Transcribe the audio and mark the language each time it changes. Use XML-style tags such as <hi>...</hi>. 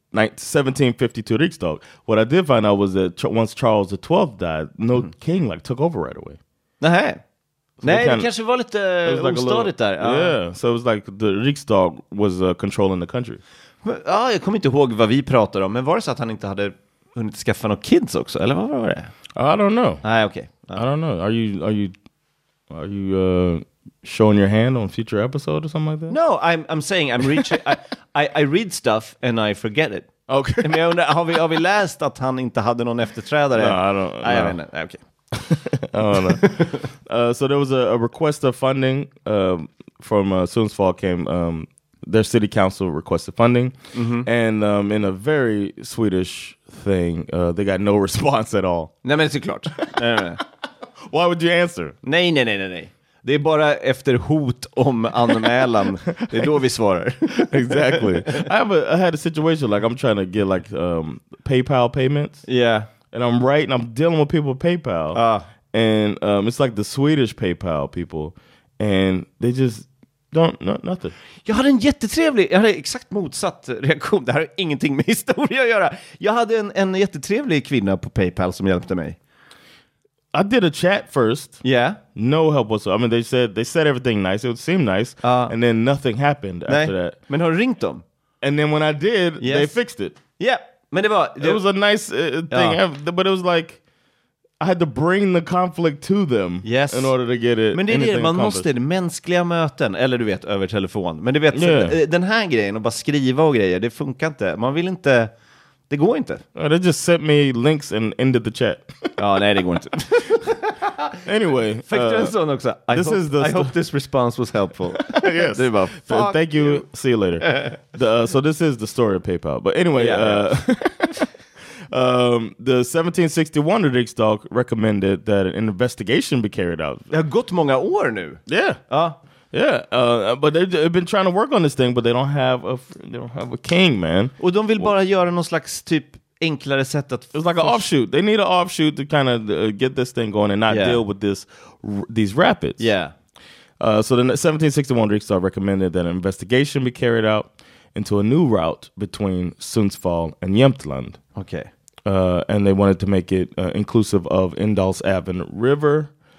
<en>1752 Riksdag. What I did find out was that once Charles the 12th died, no king like took over right away.</en> <sv>Uh-huh. Nej, det kanske var lite ostadigt där.</sv> <en>Yeah, so it was like the Riksdag was controlling the country.</en> <sv>Ja, jag kommer inte ihåg vad vi pratade om. Men var det så att han inte hade hunnit skaffa några kids också? Eller vad var det?</sv> <en>I don't know.</en> <sv>Nej, okej.</sv> <en>I don't know. Are you showing your hand on future episode or something like that? No, I'm saying I'm reaching. I read stuff and I forget it. Okay.</en> <sv>Men jag undrar, har vi läst att han inte hade någon efterträdare?</sv> <en>No, I don't know. I don't know. Okay. Oh, no. So there was a request of funding from Sundsvall came. Their city council requested funding. Mm-hmm. And in a very Swedish thing, they got no response at all.</en> <sv>Nej, men såklart.</sv> <en>Why would you answer?</en> <sv>Nej, nej, nej, nej, nej. Det är bara efter hot om anmälan. Det är då vi svarar.</sv> <en>Exactly. I had a situation like I'm trying to get like PayPal payments. Yeah. And I'm writing, I'm dealing with people with PayPal. And it's like the Swedish PayPal people. And they just don't, nothing.</en> <sv>Jag hade en jättetrevlig, jag hade exakt motsatt reaktion. Det här har ingenting med historia att göra. Jag hade en jättetrevlig kvinna på PayPal som hjälpte mig.</sv> <en>I did a chat first. Yeah. No help whatsoever. I mean, they said everything nice. It would seem nice. And then nothing happened after that.</en> <sv>Men har du ringt dem?</sv> <en>And then when I did, yes. They fixed it.</en> <sv>Yeah. Men det var,</sv> <en>it was a nice thing, ja. But it was like I had to bring the conflict to them, yes. In order to get it.</en> <sv>Men det är det man måste, det mänskliga möten eller du vet över telefon. Men du vet, yeah. Den här grejen och bara skriva och grejer, det funkar inte. Man vill inte, det går inte.</sv> <en>They just sent me links and ended the chat.</en> <sv>Ja, nej, det går inte.</sv> <en>Anyway, I hope this response was helpful. Yes.</en> <sv>Det är bara, fuck</sv> <en>thank you. See you later. So this is the story of PayPal. But anyway, the 1761 Riksdag recommended that an investigation be carried out.</en> <sv>Det har gått många år nu.</sv> <en>Yeah. Yeah, but they've been trying to work on this thing, but they don't have a king, man.</en> <sv>Och de vill bara göra någon slags typ enklare sätt att.</sv> <en>It was like an offshoot. They need an offshoot to kind of get this thing going and not deal with these rapids. Yeah. So the 1761 Riksdag recommended that an investigation be carried out into a new route between Sundsvall and Jämtland. Okay. And they wanted to make it inclusive of Indalsälven River.</en>